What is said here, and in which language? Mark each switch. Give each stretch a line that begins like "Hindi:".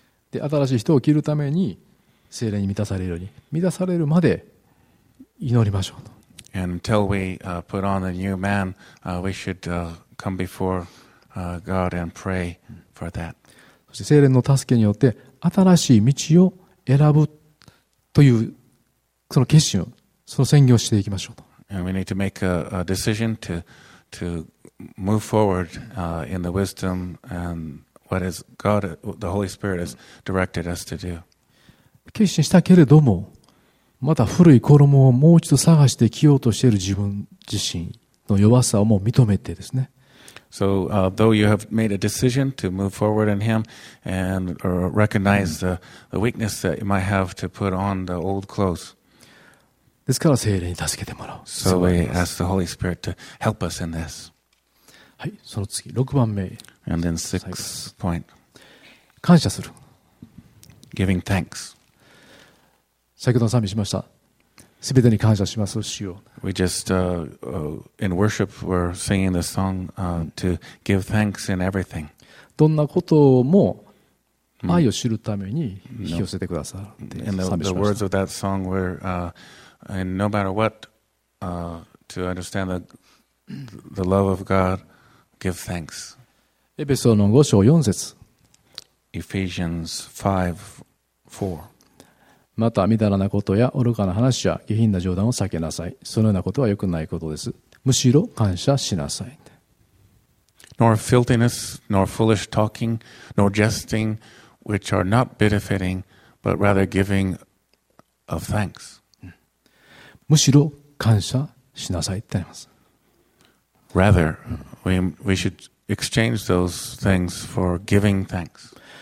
Japanese: で、新しい人を切るために聖霊に満たされるように、満たされるまで祈りましょうと。
English: And until we, put on a new man, we should, come before, God and pray for that.
Japanese: そして聖霊の助けによって新しい道を選ぶというその決心を、その宣言をしていきましょうと。
English: And we need to make a decision to move forward, in the wisdom and what is God, the Holy Spirit has directed us to do.
Japanese: 決心したけれども、また古い衣をもう一度探して着ようとしている自分自身の弱さをもう認めてですね。
English: So, though you have made a decision to move forward in Him and or recognize the weakness that you might have to put on the old clothes.
Japanese: ですから聖霊に助けてもらう。
English: So we ask the Holy Spirit to help us in this.
Japanese: はい、その次、6番目。
English: And then sixth point.
Japanese: 感謝する。
English: Giving thanks.
Japanese: 先ほど賛美しました。すべてに感謝します、主よ。
English: We just, in worship were singing the song, to give thanks in everything.
Japanese: どんなことも愛を知るために引き寄せてくださるって賛美しました。
English: And the words of that song were, And no matter what, to understand the love of God, give thanks.
Japanese: エペソの5章4節
English: Ephesians 5:4.
Japanese: また、みだらなことや愚かな話や下品な冗談を避けなさい。そのようなことは良くないことです。むしろ感謝しなさい。
English: Nor filthiness, nor foolish talking, nor jesting, which are not befitting, but rather giving of thanks.
Japanese: むしろ感謝しなさいってあります。
English: Rather, we should exchange those things for giving thanks.